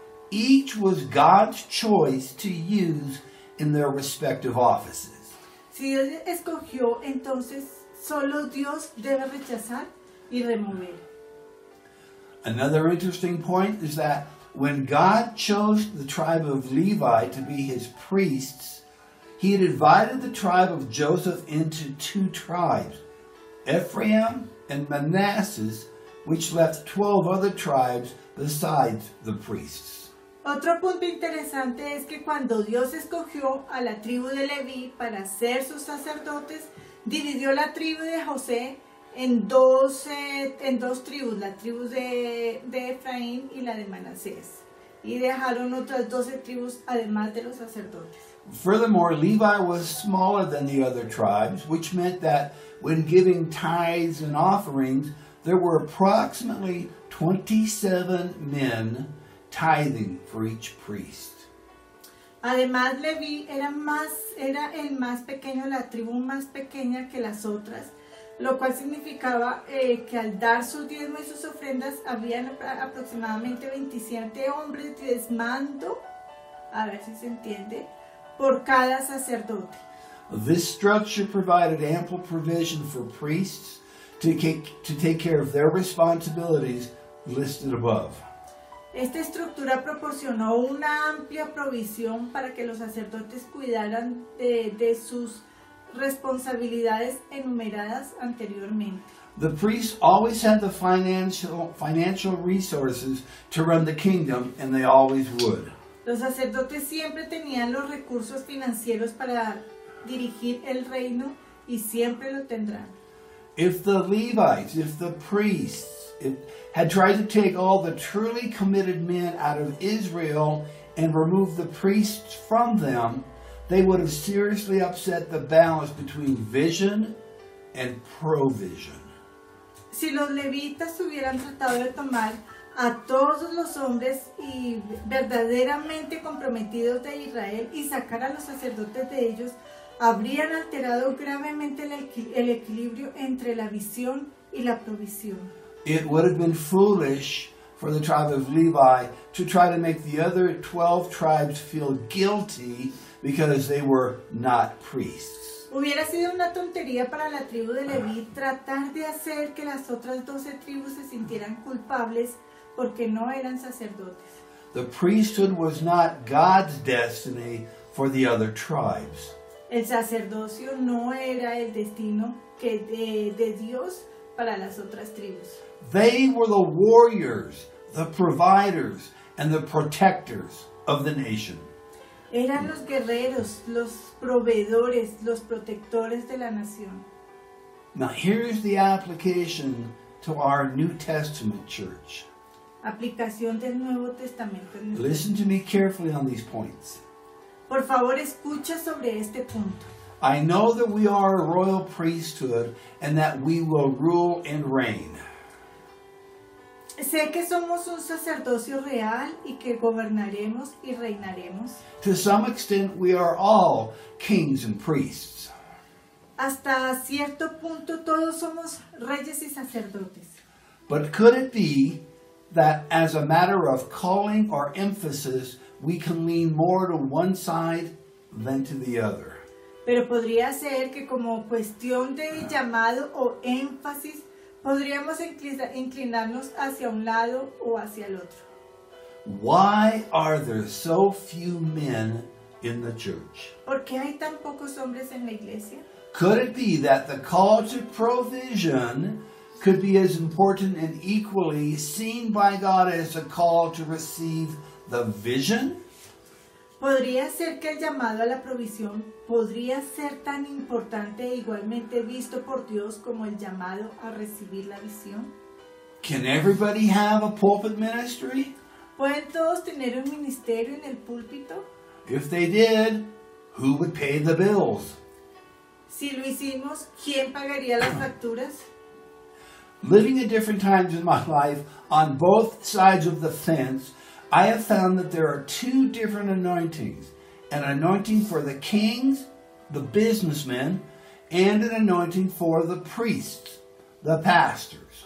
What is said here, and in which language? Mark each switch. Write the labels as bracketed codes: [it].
[en] Each was God's choice to use in their respective offices. [es] Si Dios escogió, entonces solo Dios debe rechazar y remover. [en] Another interesting point is that when God chose the tribe of Levi to be his priests, he had divided the tribe of Joseph into two tribes, Ephraim and Manasseh, which left 12 other tribes besides the priests. [es] Otro punto interesante es que cuando Dios escogió a la tribu de Leví para ser sus sacerdotes, dividió la tribu de José en dos tribus, la tribu de Efraín y la de Manasés. Y dejaron otras 12 tribus además de los sacerdotes. [en] Furthermore, Levi was smaller than the other tribes, which meant that when giving tithes and offerings, there were approximately 27 men tithing for each priest. [es] Además, Leví era el más pequeño, la tribu más pequeña que las otras, lo cual significaba que al dar sus diezmos y sus ofrendas, habían aproximadamente 27 hombres diezmando, a ver si se entiende, por cada sacerdote. [en] This structure provided ample provision for priests to take care of their responsibilities listed above. [es] Esta estructura proporcionó una amplia provisión para que los sacerdotes cuidaran de sus responsabilidades enumeradas anteriormente. [en] The priests always had the financial resources to run the kingdom, and they always would. [es] Los sacerdotes siempre tenían los recursos financieros para dirigir el reino, y siempre lo tendrán. [en] If the Levites, if the priests, had tried to take all the truly committed men out of Israel and remove the priests from them, they would have seriously upset the balance between vision and provision. [es] Si los levitas hubieran tratado de tomar a todos los hombres y verdaderamente comprometidos de Israel y sacar a los sacerdotes de ellos, habrían alterado gravemente el equilibrio entre la visión y la provisión. [en] It would have been foolish for the tribe of Levi to try to make the other 12 tribes feel guilty because they were not priests. [es] Hubiera sido una tontería para la tribu de Leví tratar de hacer que las otras 12 tribus se sintieran culpables porque no eran sacerdotes. [en] The priesthood was not God's destiny for the other tribes. [es] El sacerdocio no era el destino que de Dios para las otras tribus. [en] They were the warriors, the providers, and the protectors of the nation. [es] Eran los guerreros, los proveedores, los protectores de la nación. [en] Now here's the application to our New Testament church. [es] Aplicación del Nuevo Testamento. [en] Listen to me carefully on these points. [es] Por favor, escucha sobre este punto. [en] I know that we are a royal priesthood and that we will rule and reign. [es] Sé que somos un sacerdocio real y que gobernaremos y reinaremos. [en] To some extent, we are all kings and priests. [es] Hasta cierto punto, todos somos reyes y sacerdotes. [en] But could it be that as a matter of calling or emphasis, we can lean more to one side than to the other? [es] Pero podría ser que como cuestión de llamado o énfasis, podríamos inclinarnos hacia un lado o hacia el otro. [en] Why are there so few men in the church? [es] ¿Por qué hay tan pocos hombres en la iglesia? [en] Could it be that the call to provision could be as important and equally seen by God as a call to receive the vision? [es] ¿Podría ser que el llamado a la provisión podría ser tan importante e igualmente visto por Dios como el llamado a recibir la visión? [en] Can everybody have a pulpit ministry? [es] ¿Pueden todos tener un ministerio en el púlpito? [en] If they did, who would pay the bills? [es] Si lo hicimos, ¿quién pagaría las facturas? [en] Living at different times in my life, on both sides of the fence, I have found that there are two different anointings, an anointing for the kings, the businessmen, and an anointing for the priests, the pastors.